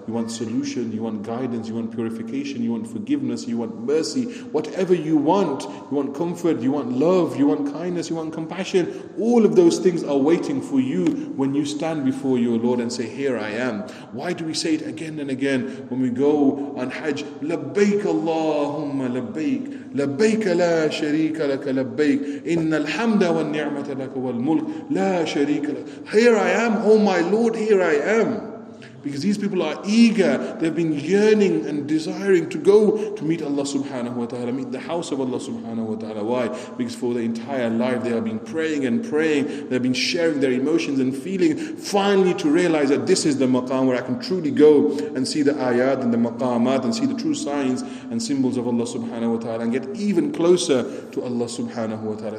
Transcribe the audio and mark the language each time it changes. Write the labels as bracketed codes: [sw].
[en] You want solution, you want guidance, you want purification, you want forgiveness, you want mercy. Whatever you want comfort, you want love, you want kindness, you want compassion. All of those things are waiting for you when you stand before your Lord and say, "Here I am." Why do we say it again and again when we go on Hajj? [ar] لبيك اللهم لبيك لبيك لا شريك لك لبيك إن الحمد والنعمة لك والملك لا شريك لك. [en] Here I am, oh my Lord, here I am. Because these people are eager, they've been yearning and desiring to go to meet Allah subhanahu wa ta'ala, meet the house of Allah subhanahu wa ta'ala. Why? Because for their entire life they have been praying and praying, they've been sharing their emotions and feelings, finally to realize that this is the maqam where I can truly go and see the ayat and the maqamat and see the true signs and symbols of Allah subhanahu wa ta'ala and get even closer to Allah subhanahu wa ta'ala.